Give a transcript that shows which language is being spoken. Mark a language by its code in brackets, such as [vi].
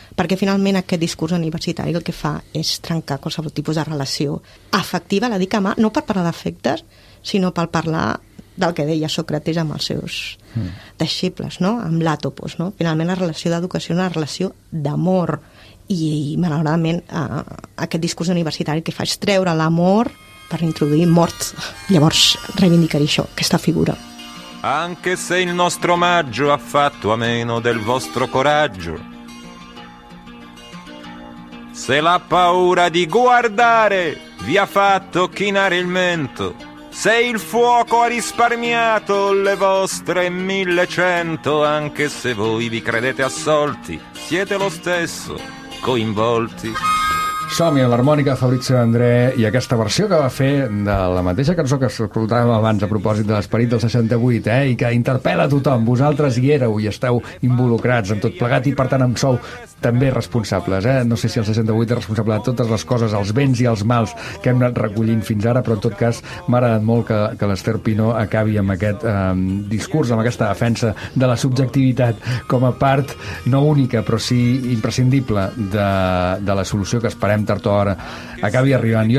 [ca] Perquè finalment aquest discurs universitari el que fa és trencar qualsevol tipus de relació afectiva, la dic a mà, no per parlar d'afectes, sinó per parlar del que deia Sócrates amb els seus deixebles, no? Amb l'àtopos, no? Finalment la relació d'educació és una relació d'amor i malauradament aquest discurs universitari el que fa és treure l'amor per introduir mort. Llavors reivindicaré això, aquesta figura. [it] Anche se il nostro omaggio ha fatto a meno del vostro coraggio, se la paura di guardare vi ha fatto chinare il mento, se il fuoco ha risparmiato le vostre 1100, anche se voi vi credete assolti, siete lo stesso coinvolti. [ca] Som-hi a l'harmònica de Fabrizio André i aquesta versió que va fer de la mateixa cançó que escoltàvem abans a propòsit de l'esperit del 68, i que interpel·la tothom. Vosaltres hi éreu i esteu involucrats en tot plegat i, per tant, em sou també responsables. No sé si el 68 és responsable de totes les coses, els béns i els mals que hem anat recollint fins ara, però en tot cas m'ha agradat molt que l'Ester Pino acabi amb aquest discurs, amb aquesta defensa de la subjectivitat com a part, no única, però sí imprescindible de la solució que esperem tard o d'hora acabi arribant.